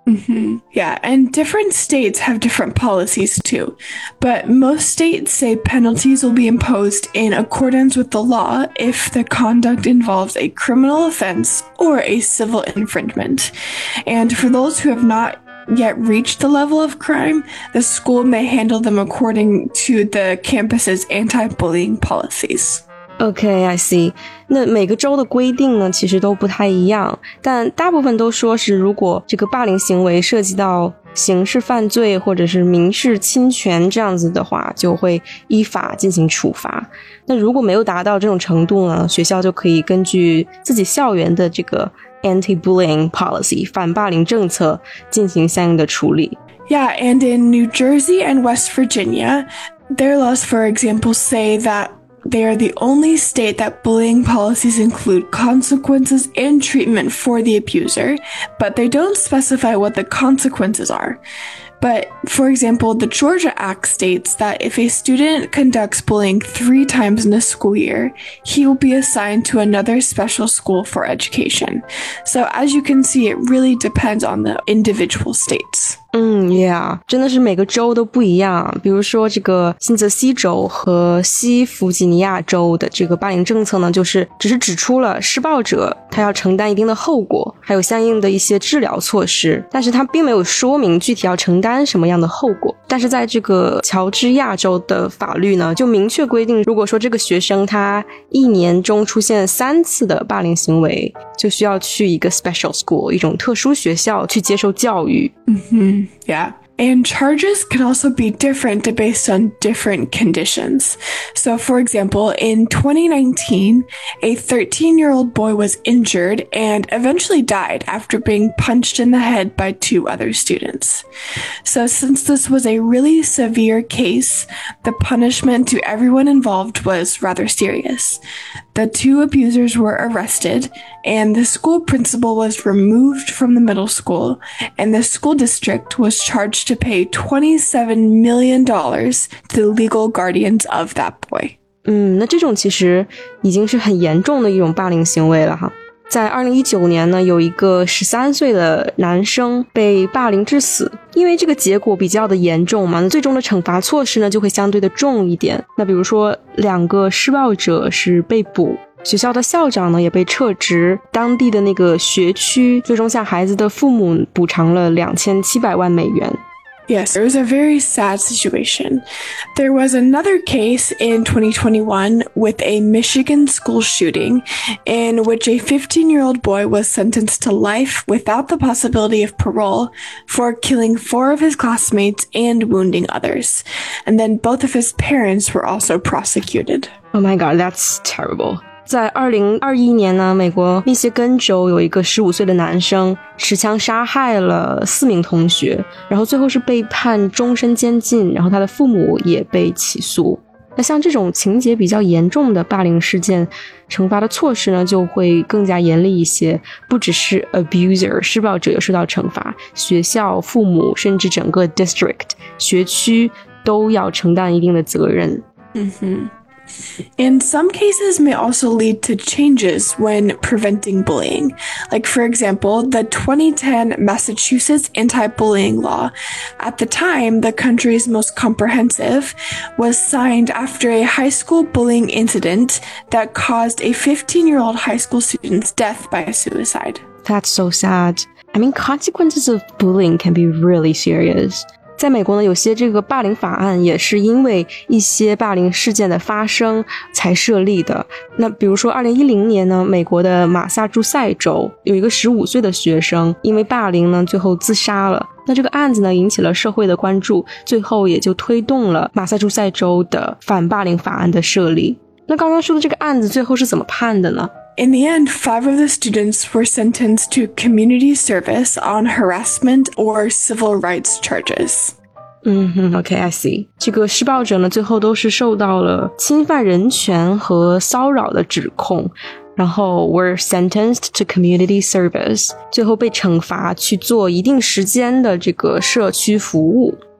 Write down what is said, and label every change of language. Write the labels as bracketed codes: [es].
[en] Yeah, and different states have different policies too, but most states say penalties will be imposed in accordance with the law if the conduct involves a criminal offense or a civil infringement. And for those who have not yet reached the level of crime, the school may handle them according to the campus's anti-bullying policies. OK, I see. [zh] 那每个州的规定呢其实都不太一样，但大部分都说是如果这个霸凌行为涉及到刑事犯罪或者是民事侵权这样子的话，就会依法进行处罚。那如果没有达到这种程度呢，学校就可以根据自己校园的这个 [en] anti-bullying policy [zh] 反霸凌政策进行相应的处理。 [en] Yeah, and in New Jersey and West Virginia, their laws, for example, say that they are the only state that bullying policies include consequences and treatment for the abuser, but they don't specify what the consequences are. But, for example, the Georgia Act states that if a student conducts bullying 3 times in a school year, he will be assigned to another special school for education. So, as you can see, it really depends on the individual states. Yeah, [zh] 真的是每个州都不一样。比如说这个新泽西州和西弗吉尼亚州的这个霸凌政策呢，就是只是指出了施暴者他要承担一定的后果，还有相应的一些治疗措施，但是他并没有说明具体要承担什么样的后果。但是在这个乔治亚州的法律呢，就明确规定，如果说这个学生他一年中出现3次的霸凌行为，就需要去一个 [en] special school, [zh] 一种特殊学校去接受教育。 [en] Yeah. And charges can also be different based on different conditions. So, for example, in 2019, a 13-year-old boy was injured and eventually died after being punched in the head by 2 other students. So, since this was a really severe case, the punishment to everyone involved was rather serious. The 2 abusers were arrested, and the school principal was removed from the middle school, and the school district was charged to pay $27 million to the legal guardians of that boy. [zh] 那这种其实已经是很严重的一种霸凌行为了哈。在2019年呢，有一个13岁的男生被霸凌致死，因为这个结果比较的严重嘛，最终的惩罚措施呢就会相对的重一点。那比如说两个施暴者是被捕，学校的校长呢也被撤职，当地的那个学区最终向孩子的父母补偿了$2,700,000。 [en] Yes, it was a very sad situation. There was another case in 2021 with a Michigan school shooting in which a 15-year-old boy was sentenced to life without the possibility of parole for killing 4 of his classmates and wounding others. And then both of his parents were also prosecuted. Oh my God, that's terrible. [zh] 在2021年呢，美国密歇根州有一个15岁的男生持枪杀害了4名同学，然后最后是被判终身监禁，然后他的父母也被起诉。那像这种情节比较严重的霸凌事件，惩罚的措施呢就会更加严厉一些，不只是 abuser 施暴者有受到惩罚，学校、父母甚至整个 district 学区都要承担一定的责任。 [en] And some cases may also lead to changes when preventing bullying. Like, for example, the 2010 Massachusetts anti-bullying law, at the time the country's most comprehensive, was signed after a high school bullying incident that caused a 15-year-old high school student's death by suicide. That's so sad. I mean, consequences of bullying can be really serious. [zh] 在美国呢，有些这个霸凌法案也是因为一些霸凌事件的发生才设立的。那比如说2010年呢，美国的马萨诸塞州有一个15岁的学生因为霸凌呢最后自杀了。那这个案子呢引起了社会的关注，最后也就推动了马萨诸塞州的反霸凌法案的设立。那刚刚说的这个案子最后是怎么判的呢？ [en] In the end, 5 of the students were sentenced to community service on harassment or civil rights charges. Okay, I see. [zh] 这个施暴者呢，最后都是受到了侵犯人权和骚扰的指控，然后 [en] were sentenced to community service, [zh] 最后被惩罚去做一定时间的这个社区服务。